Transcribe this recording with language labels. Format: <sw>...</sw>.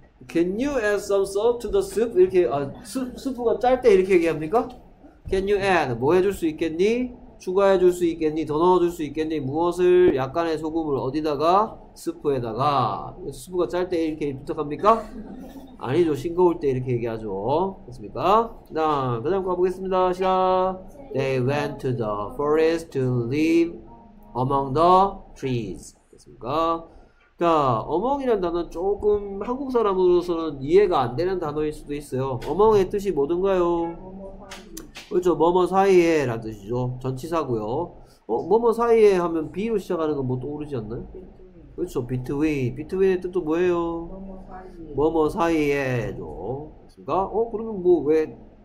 <en>Can you add some salt to the soup?</en> <ko>이렇게, 아, 수프가 짤때 이렇게 얘기합니까?</ko> <en>Can you add?</en> <ko>뭐 해줄 수 있겠니? 추가해 줄수 있겠니? 더 넣어줄 수 있겠니? 무엇을? 약간의 소금을 어디다가? 수프에다가. 수프가 짤때 이렇게 부탁합니까? 아니죠. 싱거울 때 이렇게 얘기하죠. 됐습니까? 자, 그 다음 거 가보겠습니다. 시작.</ko> <en>They went to the forest to live among the trees.</en> <ko>됐습니까? 자, 어멍이란 단어는 조금 한국 사람으로서는 이해가 안 되는 단어일 수도 있어요. 어멍의 뜻이 뭐든가요? 그렇죠. 뭐뭐 사이에 라는 뜻이죠. 전치사고요. 뭐뭐 사이에 하면 B로 시작하는 건뭐 떠오르지 않나요? 그렇죠. Between. Between의 뜻도 뭐예요? 뭐뭐 사이에죠. 그렇습니까? 그러면 뭐 왜?</ko>